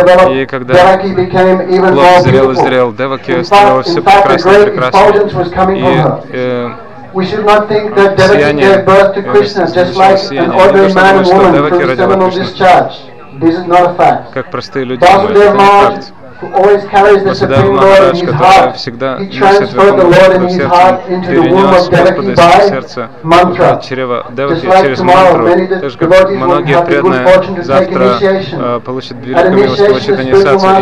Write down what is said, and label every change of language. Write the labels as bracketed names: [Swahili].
[Russian] И когда плод зрел и зрел, Деваки стало все прекрасно и прекрасно. [English] We should not think that Devaki gave birth to Krishna just like an ordinary man and woman through a seminal discharge. This is not a fact. [Russian] Как простые люди думают, это не факт. Васудева Махарадж, который всегда носит Верховный Господь в сердце, перенес Господа из своего сердца в чрево Деваки через мантру. Так же, как многие преданные завтра получат великую милость, получат инициацию.